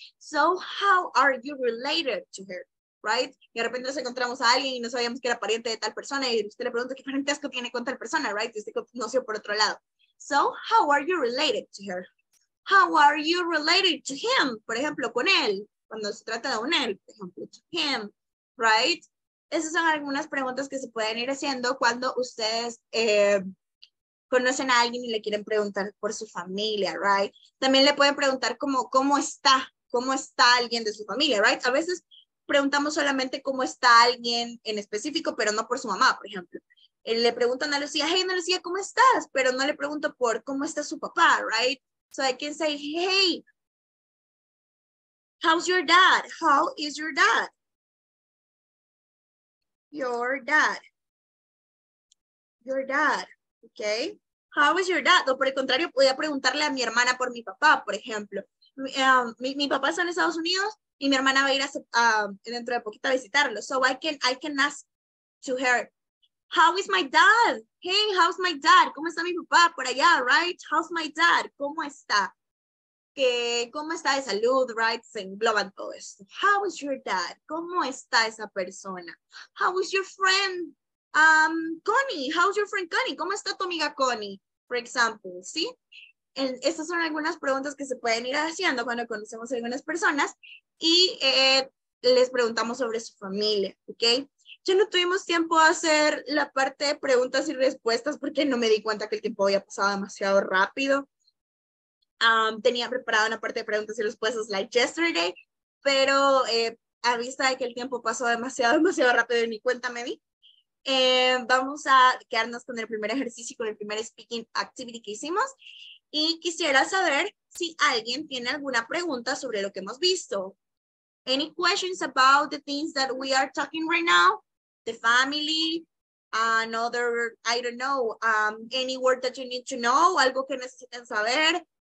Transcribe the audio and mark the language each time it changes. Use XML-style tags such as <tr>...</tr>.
<en>So, how are you related to her, right?</en> <es>Y de repente nos encontramos a alguien y no sabíamos que era pariente de tal persona y usted le pregunta qué parentesco tiene con tal persona, right? Y usted conoció por otro lado.</es> <en>So, how are you related to her? How are you related to him?</en> <es>Por ejemplo, con él. Cuando se trata de un él, por ejemplo,</es> <en>to him.</en> <es>Right? Esas son algunas preguntas que se pueden ir haciendo cuando ustedes conocen a alguien y le quieren preguntar por su familia, right? También le pueden preguntar como, ¿cómo está alguien de su familia, right? A veces preguntamos solamente cómo está alguien en específico, pero no por su mamá, por ejemplo. Le preguntan a Lucía, hey, Lucía, ¿cómo estás? Pero no le pregunto por cómo está su papá, right?</es> <en>So I can say, hey, how's your dad? How is your dad? Your dad, okay. How is your dad?</en> <es>O por el contrario, podía preguntarle a mi hermana por mi papá, por ejemplo. Mi papá está en Estados Unidos y mi hermana va a ir dentro de poquito a visitarlo.</es> <en>So I can ask to her, how is my dad? Hey, how's my dad?</en> <es>¿Cómo está mi papá por allá,</es> <en>right? How's my dad?</en> <es>¿Cómo está? Que, ¿cómo está de salud, right? Se engloban todo esto.</es> <en>How is your dad?</en> <es>¿Cómo está esa persona?</es> <en>How is your friend, Connie? How's your friend Connie?</en> <es>¿Cómo está tu amiga Connie?</es> <en>For example,</en> <es>¿sí? Estas son algunas preguntas que se pueden ir haciendo cuando conocemos a algunas personas y les preguntamos sobre su familia, ¿ok? Ya no tuvimos tiempo de hacer la parte de preguntas y respuestas porque no me di cuenta que el tiempo había pasado demasiado rápido. Tenía preparada una parte de preguntas y respuestas</es> <en>like yesterday,</en> <es>pero a vista de que el tiempo pasó demasiado, demasiado rápido, ni cuenta me di. Vamos a quedarnos con el primer ejercicio, con el primer speaking activity que hicimos. Y quisiera saber si alguien tiene alguna pregunta sobre lo que hemos visto.</es> <en>Any questions about the things that we are talking right now? The family, another, I don't know, any word that you need to know,</en> <es>algo que necesiten saber.</es>